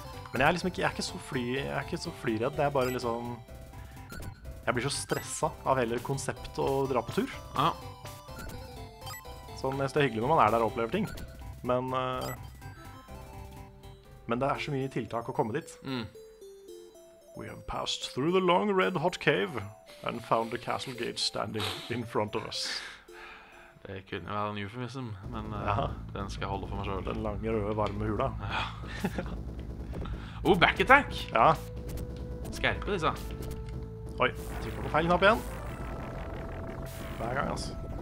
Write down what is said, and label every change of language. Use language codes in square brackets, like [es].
[no] Men jeg er liksom ikke, jeg er ikke så flyredd, det er bare liksom, jeg blir så stresset av hele konseptet å dra på tur. Ja. Sånn, det er hyggelig når man er der og opplever ting, men det er så mye tiltak å komme dit. Mm. [en] We have passed through the long red hot cave and found the castle gate standing in front of us. [no] Det kunne være en eufemism, men ja, den skal jeg holde for meg selv. Den lange røde varme hula. [en] Ja. Oh, back attack! [no] Ja. Skerpe disse. Oi, trykker på feil knapp igjen. Hver gang, altså.